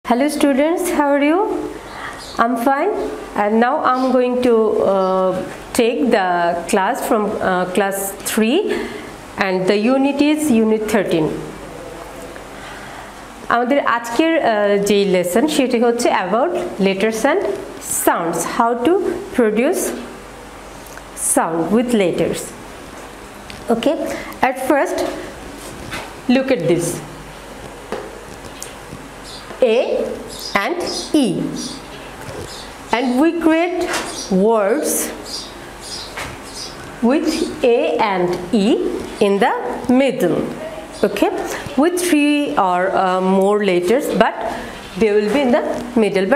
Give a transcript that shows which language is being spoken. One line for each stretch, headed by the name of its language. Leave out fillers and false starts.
English: Hello students, how are you? I'm fine. And now I'm going to take the class from class 3, and the unit is unit 13.
Bangla: আমাদের আজকের যে lesson সেটি হচ্ছে
English: About letters and sounds, how to produce sound with letters. Okay, at first look at this, A and E, and we create words with A and E in the middle, okay, with three or more letters, but they will be in the middle.